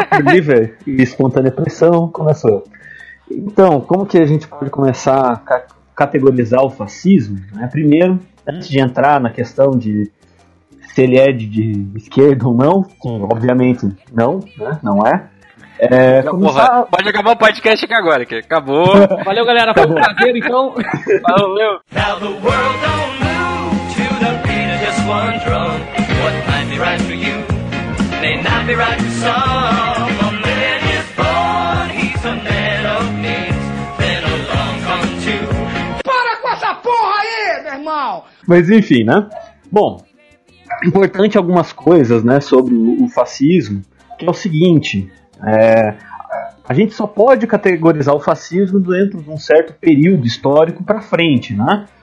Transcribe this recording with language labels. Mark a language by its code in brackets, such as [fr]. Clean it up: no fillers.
[pt] Livre e espontânea pressão, começou. Então, como que a gente pode começar categorizar o fascismo, né? Primeiro, antes de entrar na questão de se ele é de esquerda ou não, sim, obviamente não, né? Não é. É, começar... Porra, pode acabar o podcast aqui agora, que acabou. Valeu, galera. Foi um prazer, então. Valeu. [en] Now the world don't move to the beat of just one drum. What might be right for you may not be right for some. A man is born, he's a man of means. Then along come two. [pt] Para com essa porra aí, meu irmão! Mas enfim, né? Bom, importante algumas coisas, né, sobre o fascismo, que é o seguinte. É, a gente só pode categorizar o fascismo dentro de um certo período histórico para frente, né?